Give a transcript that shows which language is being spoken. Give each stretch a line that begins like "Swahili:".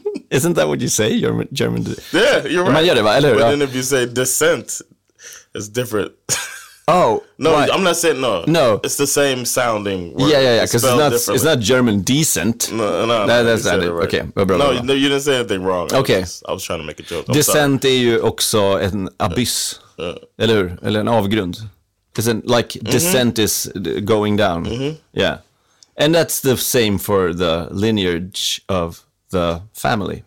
English: Isn't that what you say, German descent? Yeah, you're right.
Swedish: Man gör det, va? Eller hur?
English: But then if you say descent, it's different. Oh, no, right. I'm not saying no. No. It's the same sounding word. Yeah, yeah, yeah, because it's not German decent. No, that's not it. Right. Okay, no, you didn't say anything wrong. Okay. I was trying to make a joke.
Swedish: Descent är ju också en abyss, eller hur? Eller en avgrund.
English: Because like descent is going down. Mm-hmm. Yeah. And that's the same for the lineage of the family.